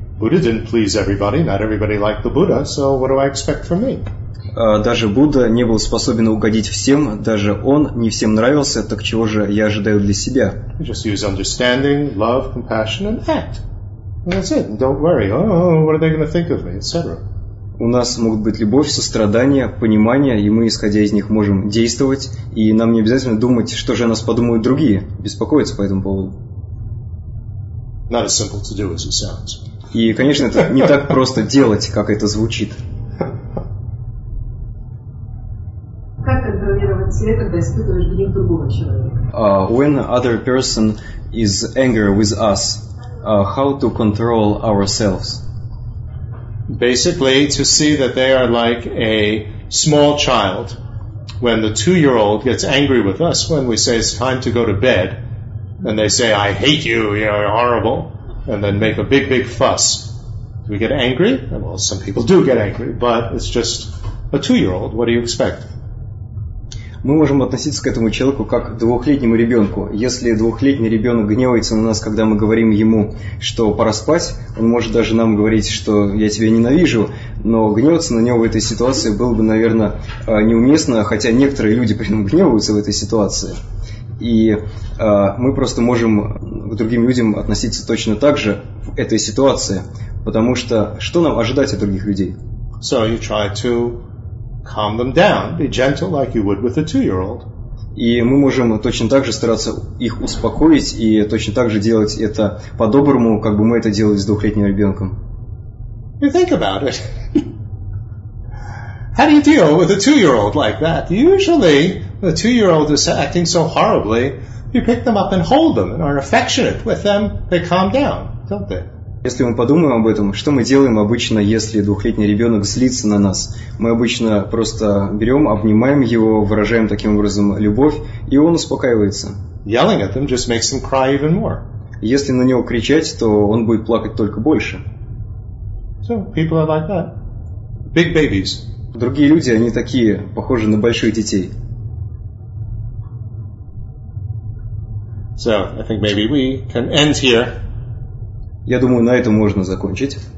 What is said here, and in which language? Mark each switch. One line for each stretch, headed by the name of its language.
English: Buddha didn't please everybody, not everybody liked the Buddha, so what do I expect from me?
Russian: Даже Будда не был способен угодить всем, даже он не всем нравился, так чего же я ожидаю для себя?
English: Just use understanding, love, compassion, and act. And that's it, don't worry, what are they going to think of me, etc.
Russian: У нас могут быть любовь, сострадание, понимание, и мы, исходя из них, можем действовать, и нам не обязательно думать, что же о нас подумают другие, беспокоиться по этому поводу.
English: Not as simple to do as it sounds.
Russian: И, конечно, это не так просто делать, как это звучит. Как контролировать себя, когда испытываешь гнев другого человека?
English: When other person is angry with us, how to control ourselves? Basically, to see that they are like a small child. When the two-year-old gets angry with us, when we say it's time to go to bed, and they say, I hate you, you're horrible, and then make a big, big fuss. Do we get angry? Well, some people do get angry, but it's just a two-year-old. What do you expect?
Russian: Мы можем относиться к этому человеку как к двухлетнему ребенку. Если двухлетний ребенок гневается на нас, когда мы говорим ему, что пора спать, он может даже нам говорить, что я тебя ненавижу, но гневаться на него в этой ситуации было бы, наверное, неуместно, хотя некоторые люди при этом гневаются в этой ситуации. И мы просто можем к другим людям относиться точно так же в этой ситуации, потому что что нам ожидать от других людей?
English: So you try to calm them down, be gentle like you would with a two-year-old.
Russian: И мы можем точно так же стараться их успокоить и точно так же делать это по-доброму, как бы мы это делали с двухлетним ребенком.
English: You think about it. How do you deal with a two-year-old like that? Usually, the two-year-old is acting so horribly, you pick them up and hold them and are affectionate with them, they calm down, don't they?
Russian: Если мы подумаем об этом, что мы делаем обычно, если двухлетний ребенок злится на нас? Мы обычно просто берем, обнимаем его, выражаем таким образом любовь, и он успокаивается.
English: Yelling at them just makes him cry even more.
Russian: Если на него кричать, то он будет плакать только больше.
English: So, people are like that. Big babies.
Russian: Другие люди, они такие, похожи на больших детей.
English: So, I think maybe we can end here.
Russian: Я думаю, на этом можно закончить.